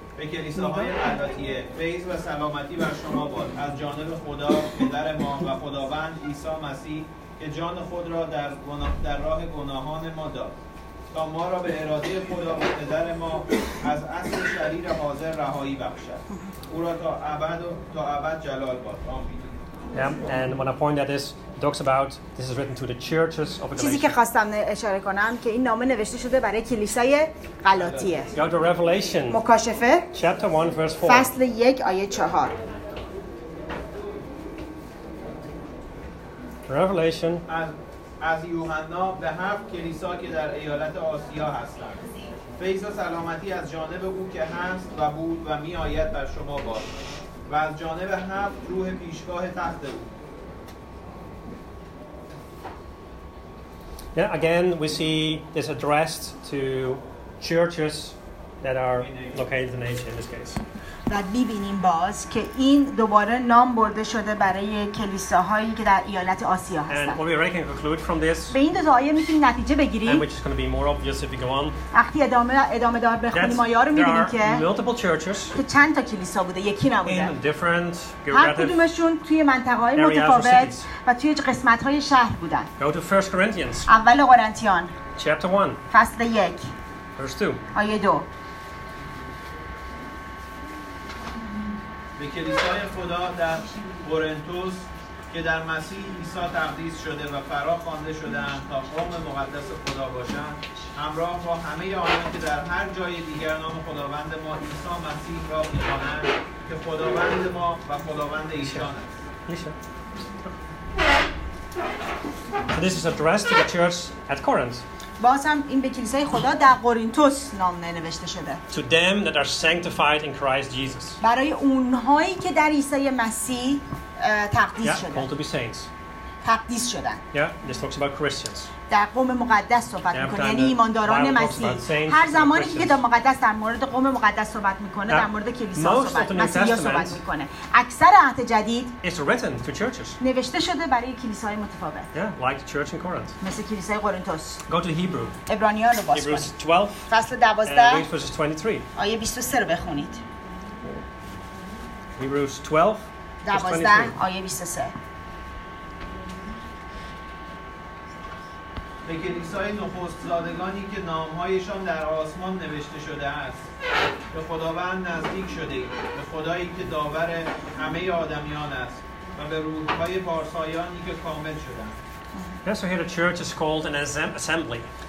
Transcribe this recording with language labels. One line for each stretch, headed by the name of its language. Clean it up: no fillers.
English: Yeah, and when I point at this, talks about this is written to the churches of Galatia.
Persian: چیزی که خواستم اشاره کنم که این نامه نوشته شده برای کلیسای غلاطیه.
English: Go to Revelation.
Persian: مکاشفه.
English: Chapter 1 verse 4.
Persian: فصل 1 آیه 4.
English: Revelation.
Persian: از یوحنا به 7 کلیسا که در ایالت آسیا هستند. فیض و سلامتی از جانب او که هست و بود و می آید بر شما باد. و از جانب 7 روح پیشگاه تخت او.
English: Yeah, again, we see this addressed to churches that are located in Asia, in this case. That we see
Persian: باز که این دوباره نام برده شده برای کلیساهایی که در ایالات آسیا هستند.
English: And what we reckon conclude from this?
Persian: به این دوایی میتونیم نتیجه بگیریم.
English: And which is going to be more obvious if we go on.
Persian: وقتی ادامه دار بخونیم آیا رو میبینیم که
English: there are multiple churches.
Persian: که چند تا کلیسا بوده یکی نبوده.
English: In different geographies.
Persian: هر کدومشون توی منطقه‌های متفاوت و توی قسمت‌های شهر بودن.
English: Go to 1 Corinthians.
Persian: اول قرنتیان.
English: Chapter 1.
Persian: فصل 1.
English: Verse 2.
Persian: آیه 2. به کلیسای خدا در قرنتوس که در مسیح عیسی تقدیس شده و فرا خوانده شده‌ام تا قوم مقدس خدا باشند، همراه با همه آنان که در هر جای دیگر نام خداوند ما عیسی مسیح را می‌خوانند، که خداوند ما و خداوند ایشان است.
English: So this is addressed to the church at Corinth.
Persian: باز هم این به کلیسای خدا در قرنتوس نام نوشته شده.
English: To them that are sanctified in Christ Jesus.
Persian: برای اونهایی که در عیسی مسیح تقدیس
English: yeah,
Persian: شدند.
English: Called to be saints.
Persian: تقدیس شدن.
English: Yeah, this talks about Christians.
Persian: در قوم مقدس صحبت میکنه، یعنی ایمانداران مسیح. هر زمانی که کتاب مقدس در مورد قوم مقدس صحبت میکنه، در مورد کلیسا صحبت مسیحیا صحبت میکنه. اکثر عهد جدید نوشته شده برای کلیسای متفاوت.
English: Yeah, like the church in Corinth.
Persian: مثل کلیسای قرنتوس.
English: Go to Hebrew.
Persian: عبرانیان رو باز کنید.
English: Hebrews 12.
Persian: فصل 12.
English: And read verses 23.
Persian: آیه 23 رو بخونید.
English: Hebrews 12.
Persian: 12 آیه 23. به کلیسای نخست زادگانی که نامهایشان در آسمان نوشته شده است به خداوند نزدیک شده ایم، به خدایی که داور همه آدمیان است و به روح‌های پارسایانی که کامل شدند.
English: Yes, so here the church is called an assembly.